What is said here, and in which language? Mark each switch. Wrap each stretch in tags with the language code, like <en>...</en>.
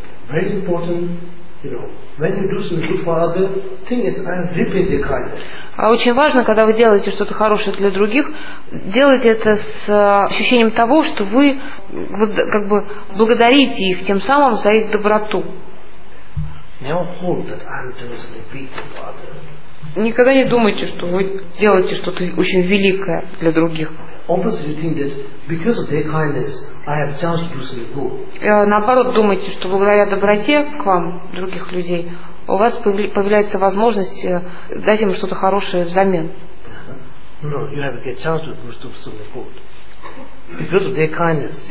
<en>Very important, when you do something good for others, thing is I'm repaying the kindness.</en> <ru>А очень важно, когда вы делаете что-то хорошее для других, делайте это с ощущением того, что вы как бы благодарите их тем самым за их доброту.</ru> <en>Never hold that I'm doing something big for others.</en> <ru>Никогда не думайте, что вы делаете что-то очень великое для других.</ru> <en>Opposite, you think that because of their kindness, I have chance to do something good.</en> <ru>Наоборот, думайте, что благодаря доброте к вам других людей у вас появляется возможность дать им что-то хорошее взамен.</ru> <en>No, you have a chance to do something good because of their kindness.</en>